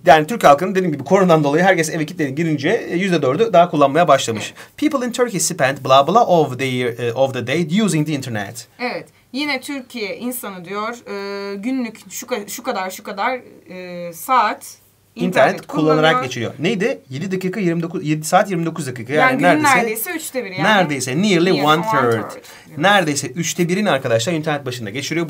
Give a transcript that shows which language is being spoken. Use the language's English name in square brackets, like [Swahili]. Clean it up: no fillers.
[Turkish] Yani Türk halkının dediğim gibi koronadan dolayı herkes eve kilitlenip girince %4'ü daha kullanmaya başlamış. Evet. [English] People in Turkey spent blah blah of the day using the internet. [Turkish] Evet. Yine Türkiye insanı diyor günlük şu kadar saat... İnternet kullanarak geçiriyor. Neydi? 7 saat 29 dakika. Yani günün neredeyse 3'te 1 yani. Neredeyse. [English] Nearly one third. [Turkish] Neredeyse 3'te 1'ini arkadaşlar internet başında geçiriyor.